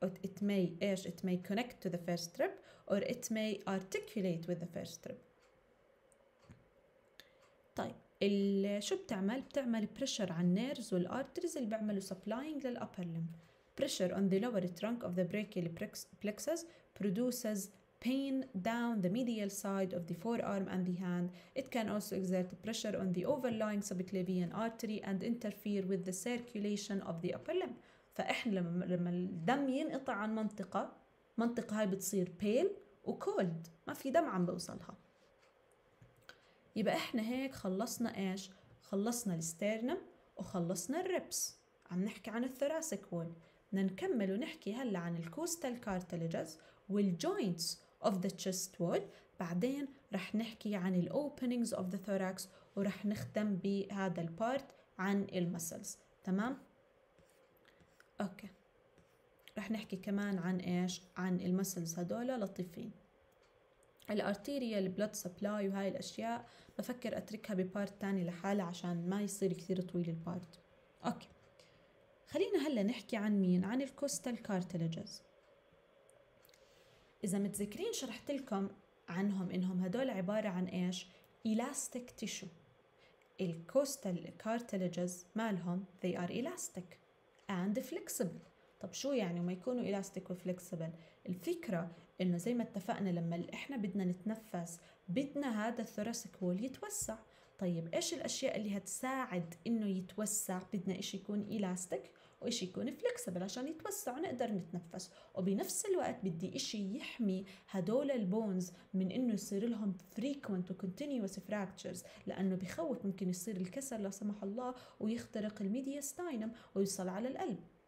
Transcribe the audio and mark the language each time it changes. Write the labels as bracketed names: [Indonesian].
[English] It may connect to the first rib or it may articulate with the first rib. [Arabic] طيب شو بتعمل؟ بتعمل بريشر على النيرز والارتريز اللي بيعملوا سبلاينج للأبر لم. [English] Pressure on the lower trunk of the brachial plexus produces pain down the medial side of the forearm and the hand. It can also exert pressure on the overlying subclavian artery and interfere with the circulation of the upper limb. [Arabic] فإحنا لما الدم ينقطع عن منطقة، منطقة هاي بتصير pale وcold، ما في دم عم بوصلها. يبقى احنا هيك خلصنا ايش؟ خلصنا الستيرنم وخلصنا الريبس، عم نحكي عن الثراسك وول. نكمل ونحكي هلا عن الكوستال كارتليجز والجوينتس اوف ذا تشست وول، بعدين رح نحكي عن الاوبننجز اوف ذا ثوراكس ورح نختم بهذا البارت عن المسلز تمام. اوكي رح نحكي كمان عن ايش؟ عن المسلز هدول لطيفين. الارتيريال بلود سبلاي وهاي الاشياء بفكر اتركها ببارت تاني لحالة عشان ما يصير كثير طويل البارت. اوكي خلينا هلا نحكي عن مين، عن الكوستال كارتلجز. اذا متذكرين شرحت لكم عنهم انهم هدول عباره عن ايش، إلاستيك تيشو. الكوستال كارتلجز مالهم [English] they are elastic and flexible. [Arabic] طب شو يعني ما يكونوا إلاستيك وفليكسبل؟ الفكرة إنه زي ما اتفقنا لما إحنا بدنا نتنفس بدنا هذا الثوراسيك وول يتوسع. طيب إيش الأشياء اللي هتساعد إنه يتوسع؟ بدنا إيش يكون إلاستيك وإيش يكون فليكسبل عشان يتوسع ونقدر نتنفس، وبنفس الوقت بدي إشي يحمي هدول البونز من إنه يصير لهم frequent وcontinuous fractures، لأنه بخوف ممكن يصير الكسر لا سمح الله ويخترق الميديستاينم ويصل على القلب.